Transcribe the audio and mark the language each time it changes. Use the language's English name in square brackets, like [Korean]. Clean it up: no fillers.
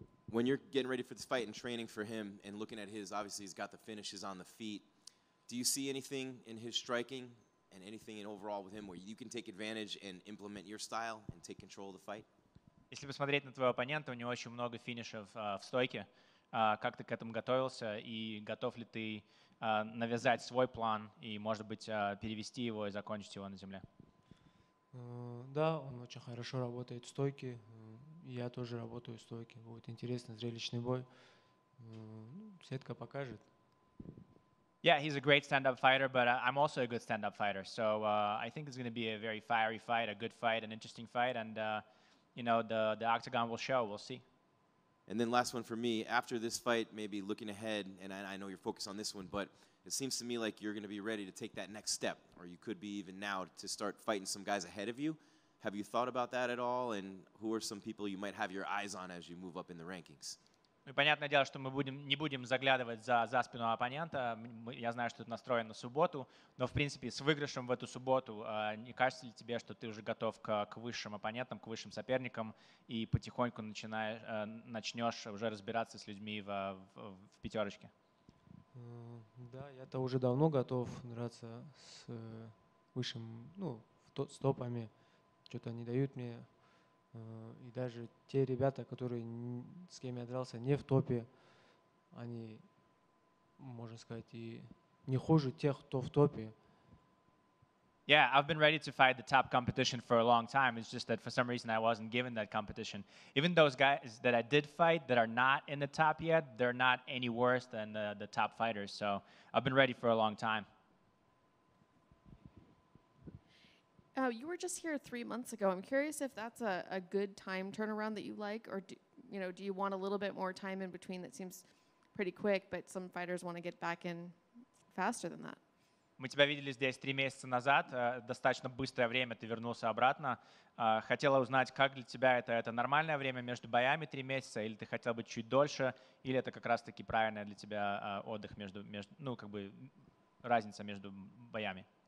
[English] When you're getting ready for this fight and training for him and looking at his, obviously he's got the finishes on the feet. Do you see anything in his striking and anything in overall with him where you can take advantage and implement your style and take control of the fight? [Russian] Если посмотреть на твоего оппонента, у него очень много финишев в стойке. Как ты к этому готовился и готов ли ты навязать свой план и, может быть, перевести его и закончить его на земле? Да, он очень хорошо работает в стойке. Я тоже работаю в стойке. Будет интересный, зрелищный бой. Сетка покажет. [English] Yeah, he's a great stand-up fighter, but I'm also a good stand-up fighter. So I think it's going to be a very fiery fight, a good fight, an interesting fight, and you know, the octagon will show. We'll see. And then last one for me. After this fight, maybe looking ahead, and I know you're focused on this one, but it seems to me like you're going to be ready to take that next step, or you could be even now to start fighting some guys ahead of you. Have you thought about that at all? And who are some people you might have your eyes on as you move up in the rankings? [Russian] Ну, понятное дело, что мы не будем заглядывать за спину оппонента. Я знаю, что это настроено на субботу, но, в принципе, с выигрышем в эту субботу, не кажется ли тебе, что ты уже готов к высшим оппонентам, к высшим соперникам и потихоньку начнешь уже разбираться с людьми в пятерочке? Да, я-то уже давно готов драться с высшим, ну, с топами. Что-то они дают мне. И даже те ребята, которые с кем я дрался, не в топе, они, можно сказать, и не хуже тех, кто в топе. [English] Yeah, I've been ready to fight the top competition for a long time. It's just that for some reason I wasn't given that competition. Even those guys that I did fight that are not in the top yet, they're not any worse than the top fighters. So I've been ready for a long time. You were just here 3 months ago. I'm curious if that's a good time turnaround that you like, or do you want a little bit more time in between? That seems pretty quick, but some fighters want to get back in faster than that. [Russian] Мы тебя видели здесь 3 месяца назад. Достаточно быстрое время. Ты вернулся обратно. Хотела узнать, как для тебя это нормальное время между боями 3 месяца, или ты хотел бы чуть дольше, или это как раз таки правильное для тебя отдых между ну как бы разница между боями?